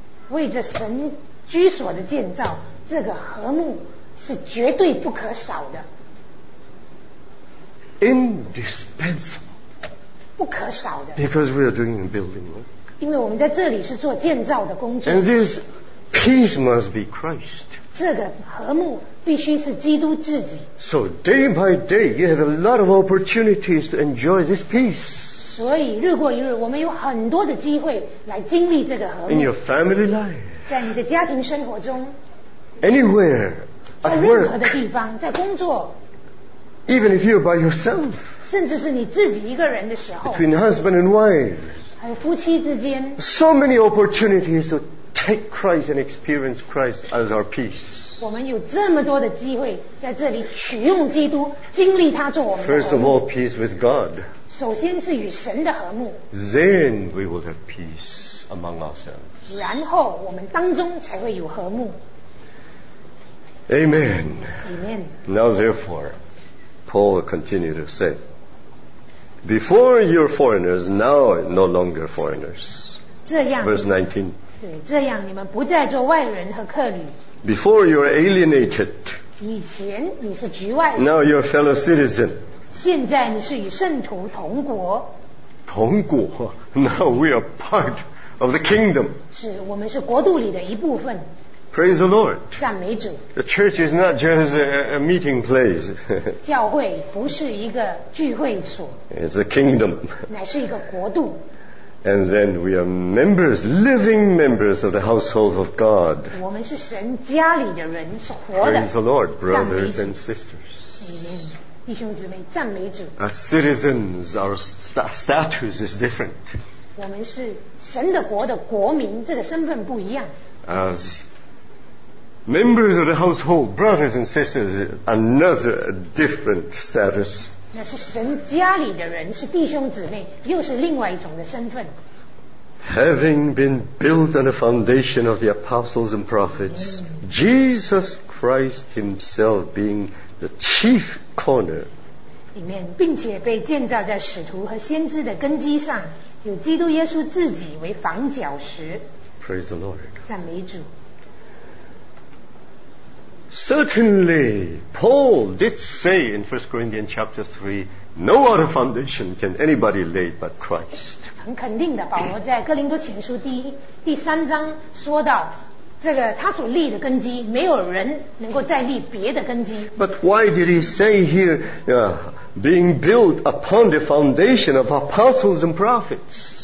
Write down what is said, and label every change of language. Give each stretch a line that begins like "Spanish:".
Chinese: 为着神居所的建造, 这个和睦是绝对不可少的。
English: Indispensable.
Chinese: 不可少的。
English: Because we are doing building work.
Chinese: 因为我们在这里是做建造的工作。
English: And this peace must be Christ.
Chinese: 这个和睦必须是基督自己。
English: So day by day, you have a lot of opportunities to enjoy this peace.
Chinese: 所以日过一日，我们有很多的机会来经历这个和睦。
English: In your family life.
Chinese: 在你的家庭生活中。
English: Anywhere.
Chinese: 在任何的地方，在工作。
English: Even if you're by yourself.
Chinese: 甚至是你自己一个人的时候。
English: Between husband and wife.
Chinese: 还有夫妻之间。
English: So many opportunities to take Christ and experience Christ as our peace.
Chinese: 我们有这么多的机会在这里取用基督，经历他做我们的和睦。
English: First of all, peace with God.
Chinese: 首先是与神的和睦。
English: Then we will have peace among ourselves.
Chinese: 然后我们当中才会有和睦。
English: Amen. Amen. Now therefore, Paul continued to say, Before you're foreigners, now no longer foreigners.
Chinese: 这样,
English: Verse 19.
Chinese: 对, 这样你们不再做外人和客旅。
English: Before you're alienated.
Chinese: 以前你是局外人。
English: Now you're fellow citizen.
Chinese: 现在你是与圣徒同国。同国,
English: now we are part of the kingdom.
Chinese: 是, 我们是国度里的一部分。
English: Praise the Lord.
Chinese: 赞美主。
English: The church is not just a meeting place.
Chinese: 教会不是一个聚会所。
English: It's a kingdom.
Chinese: 乃是一个国度。
English: And then we are members, living members of the household of God.
Chinese: 我们是神家里的人，是活的。
English: Praise the Lord, brothers and sisters.
Chinese: Amen. 弟兄姊妹，赞美主。
English: As citizens, our status is different.
Chinese: 我们是神的国的国民，这个身份不一样。
English: As members of the household, brothers and sisters, another different status.
Chinese: 那是神家里的人，是弟兄姊妹，又是另外一种的身份。
English: Having been built on the foundation of the apostles and prophets, Jesus Christ himself being the chief corner.
Chinese: 里面并且被建造在使徒和先知的根基上，有基督耶稣自己为房角石。
English: Praise the Lord.
Chinese: 赞美主。
English: Certainly, Paul did say in 1 Corinthians chapter 3, no other foundation can anybody lay but Christ.
Chinese: 很肯定的，保罗在哥林多前书第三章说到，这个他所立的根基，没有人能够再立别的根基。
English: But why did he say here, being built upon the foundation of apostles and prophets?